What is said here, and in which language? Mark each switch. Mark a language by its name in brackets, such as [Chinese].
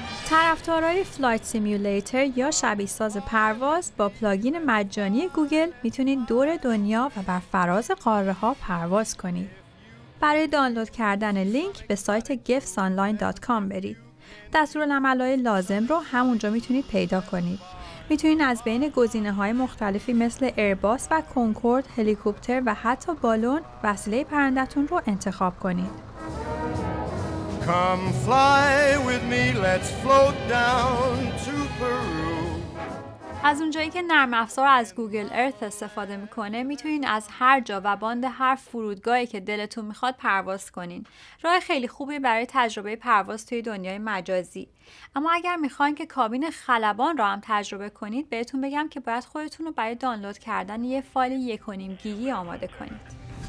[Persian] طرفدارای فلایت سیمیولیتر یا شبیه ساز پرواز با پلاگین مجانی گوگل میتونید دور دنیا و بر فراز قاره ها پرواز کنید. برای دانلود کردن لینک به سایت gifsonline.com برید. دستورالعمل‌های لازم رو همونجا میتونید پیدا کنید. میتونید از بین گزینه‌های مختلفی مثل ایرباس و کنکورد، هلیکوپتر و حتی بالون وسیله پرنده‌تون رو انتخاب کنید. [English] Come fly with me, let's float down to Peru. [Persian] از اونجایی که نرم افزار از گوگل ارث استفاده میکنه میتونین از هر جا و باند هر فرودگاهی که دلتون میخواد پرواز کنین. راه خیلی خوبی برای تجربه پرواز توی دنیای مجازی. اما اگر میخواین که کابین خلبان را هم تجربه کنید، بهتون بگم که باید خودتون رو برای دانلود کردن یه فایل 1.5 گیگی آماده کنید.